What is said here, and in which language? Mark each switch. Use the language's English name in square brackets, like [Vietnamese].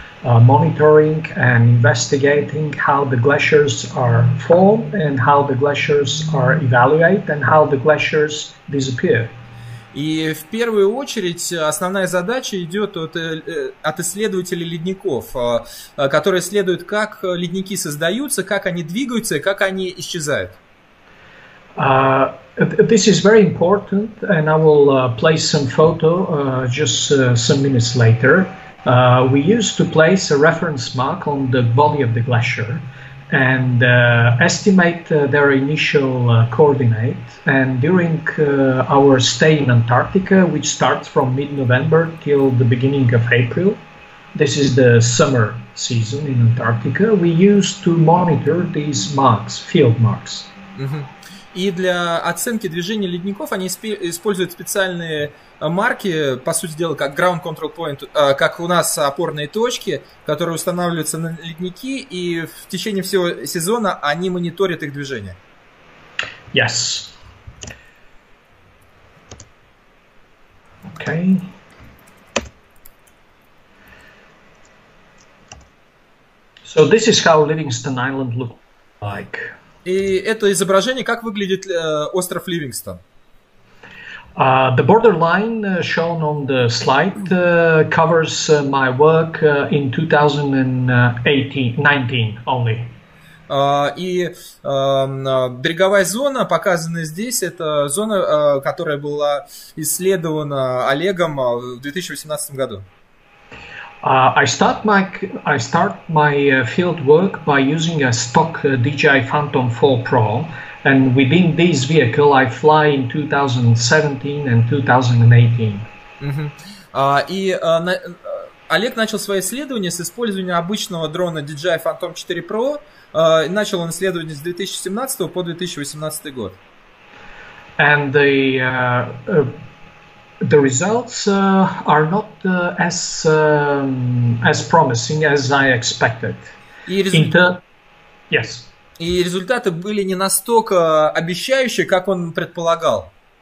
[English] monitoring and investigating how the glaciers are formed and how the glaciers are evaluated and how the glaciers disappear. [Russian] И в первую очередь основная задача идет от исследователей ледников, которые исследуют, как ледники создаются, как они двигаются и как они исчезают. [English] This is very important, and I will place some photo just some minutes later. We used to place a reference mark on the body of the glacier and estimate their initial coordinate. And during our stay in Antarctica, which starts from mid-November till the beginning of April, this is the summer season in Antarctica, we used to monitor these marks, field marks. [Russian] И для оценки движения ледников они используют специальные марки, по сути дела, как [English] ground control point, [Russian] как у нас опорные точки, которые устанавливаются на ледники, и в течение всего сезона они мониторят их движение. [English] Yes. Okay. So this is how Livingston Island looks like. [Russian] И это изображение, как выглядит остров Ливингстон. [English] The borderline shown on the slide covers my work in 2018-19 only. [Russian] Береговая зона, показанная здесь, это зона, которая была исследована Олегом в 2018 году. [English] I start my field work by using a stock DJI Phantom 4 Pro, and within this vehicle I fly in 2017 and 2018. [Russian] Олег начал свое исследование с использования обычного дрона DJI Phantom 4 Pro. Начал он исследование с 2017 по 2018 год. [English] And the the results are not as promising as I expected. Yes. [Russian] И результаты были не настолько обещающие, как он предполагал.